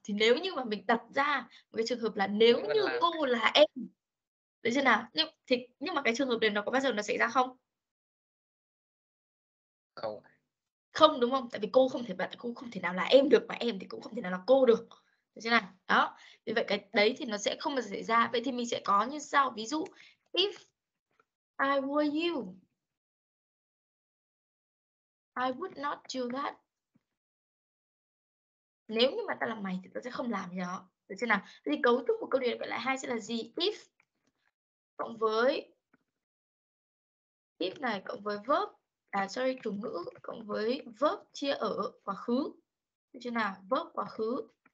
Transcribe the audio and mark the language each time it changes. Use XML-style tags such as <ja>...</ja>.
<vi>Thì nếu như mà mình đặt ra một cái trường hợp là nếu như cô là em. Được chưa nào? Nhưng mà cái trường hợp này nó có bao giờ nó xảy ra không? Không. Không, đúng không? Tại vì cô không thể, bạn cô không thể nào là em được, mà em thì cũng không thể nào là cô được. Được chưa nào? Đó. Vì vậy cái đấy thì nó sẽ không bao giờ xảy ra. Vậy thì mình sẽ có như sau.</vi> <en>Ví dụ if I were you, I would not do that.</en> <vi>Nếu như mà ta là mày thì ta sẽ không làm gì đó. Được chưa nào? Thì cấu trúc của câu điều kiện loại 2 sẽ là gì? If cộng với if này cộng với verb, chủ ngữ cộng với verb chia ở quá khứ. Được chưa nào? Verb quá khứ.</vi>